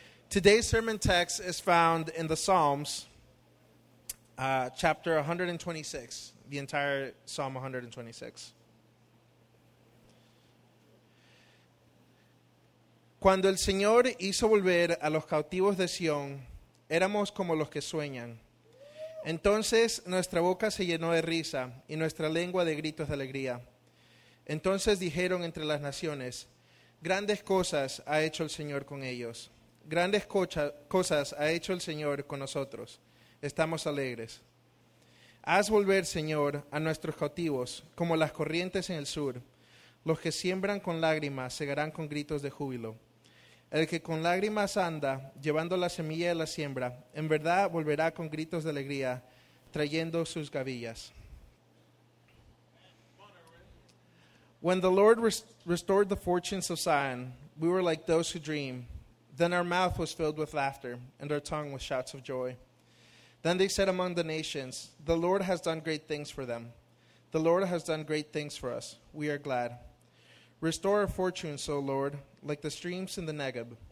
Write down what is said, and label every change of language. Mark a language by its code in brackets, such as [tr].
[en] Today's sermon text is found in the Psalms, chapter 126, the entire Psalm 126. [es] Cuando el Señor hizo volver a los cautivos de Sion, éramos como los que sueñan. Entonces nuestra boca se llenó de risa y nuestra lengua de gritos de alegría. Entonces dijeron entre las naciones, grandes cosas ha hecho el Señor con ellos. Grandes cosas ha hecho el Señor con nosotros. Estamos alegres. Haz volver, Señor, a nuestros cautivos, como las corrientes en el sur. Los que siembran con lágrimas segarán con gritos de júbilo. El que con lágrimas anda, llevando la semilla de la siembra, en verdad volverá con gritos de alegría, trayendo sus gavillas. [en] When the Lord restored the fortunes of Zion, we were like those who dream. Then our mouth was filled with laughter, and our tongue with shouts of joy. Then they said among the nations, the Lord has done great things for them. The Lord has done great things for us. We are glad. Restore our fortunes, O Lord, like the streams in the Negev.